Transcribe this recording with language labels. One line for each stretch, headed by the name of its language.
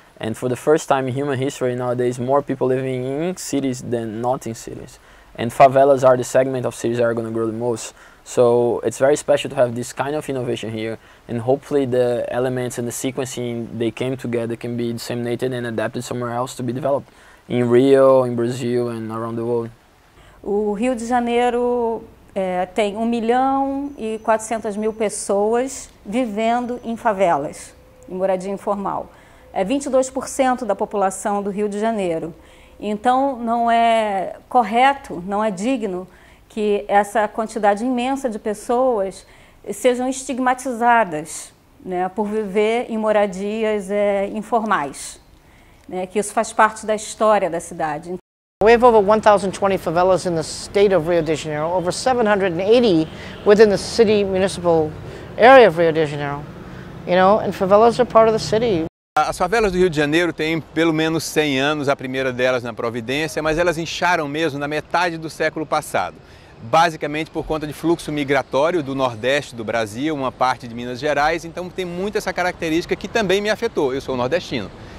English: And for the first time in human history nowadays, more people living in cities than not in cities. And favelas are the segment of cities that are going to grow the most. So it's very special to have this kind of innovation here. And hopefully the elements and the sequencing they came together can be disseminated and adapted somewhere else to be developed. In Rio, in Brazil and around the world.
Portuguese: O Rio de Janeiro tem 1.400.000 pessoas vivendo em favelas, em moradia informal. É 22% da população do Rio de Janeiro. Então, não é correto, não é digno que essa quantidade imensa de pessoas sejam estigmatizadas, né, por viver em moradias informais, né, que isso faz parte da história da cidade.
English: We have over 1,020 favelas in the state of Rio de Janeiro, over 780 within the city municipal area of Rio de Janeiro. You know, and favelas are part of the city.
Portuguese: As favelas do Rio de Janeiro têm pelo menos 100 anos, a primeira delas na Providência, mas elas incharam mesmo na metade do século passado. Basicamente por conta de fluxo migratório do Nordeste do Brasil, uma parte de Minas Gerais, então tem muito essa característica que também me afetou. Eu sou nordestino.